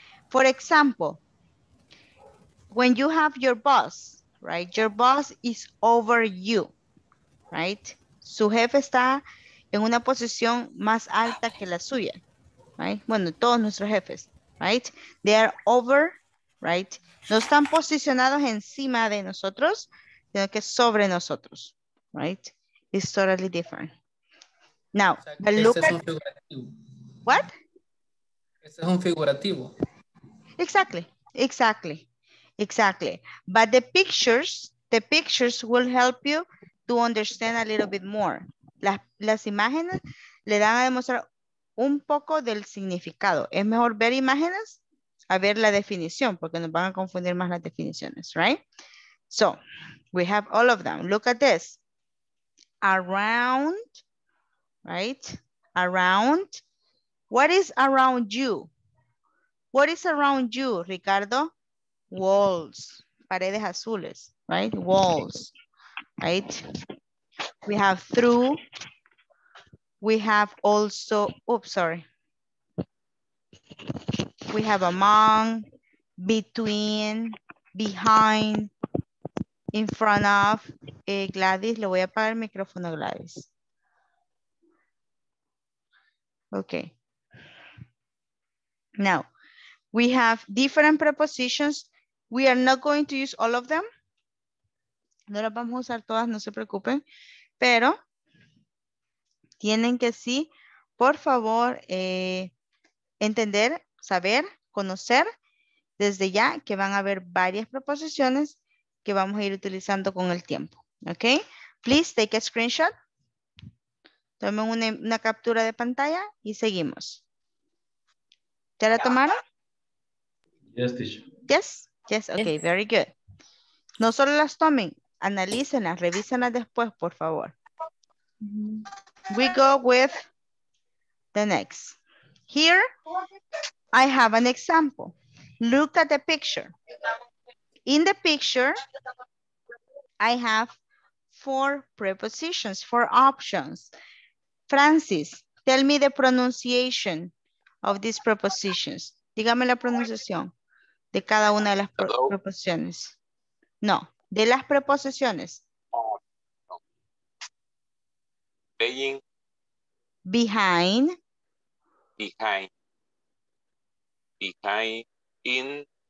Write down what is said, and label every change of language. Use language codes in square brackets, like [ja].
[en] For example, when you have your boss, right? Your boss is over you, right? [es] Su jefe está en una posición más alta que la suya. Right? Bueno, todos nuestros jefes, [en] right? They are over, right? [es] No están posicionados encima de nosotros, sino que sobre nosotros, right? [en] It's totally different. Now, but look at... What? [es] Este es un figurativo. [en] Exactly, exactly, exactly. But the pictures will help you to understand a little bit more. [es] Las imágenes le dan a demostrar un poco del significado. Es mejor ver imágenes a ver la definición, porque nos van a confundir más las definiciones, right? [en] So, we have all of them. Look at this. Around, right? Around. What is around you? What is around you, Ricardo? Walls. [es] Paredes azules, [en] right? Walls, right? We have through. We have also, oops, sorry. We have among, between, behind, in front of. [es] Gladys, le voy a apagar el micrófono, Gladys. [en] Okay. Now, we have different prepositions. We are not going to use all of them. [es] No las vamos a usar todas, no se preocupen. Pero... tienen que sí, por favor, entender, saber, conocer desde ya que van a haber varias proposiciones que vamos a ir utilizando con el tiempo. [en] Ok, please take a screenshot. [es] Tomen una captura de pantalla y seguimos. ¿Ya la tomaron? [en] Yes, teacher. Yes, yes, ok, yes. Very good. [es] No solo las tomen, analícenlas, revísenlas después, por favor. [en] Mm-hmm. We go with the next. Here, I have an example. Look at the picture. In the picture, I have four prepositions, four options. Francis, tell me the pronunciation of these prepositions. [es] Dígame la pronunciación de cada una de las preposiciones. No, de las preposiciones. [en] Being. Behind. Behind. Behind. In.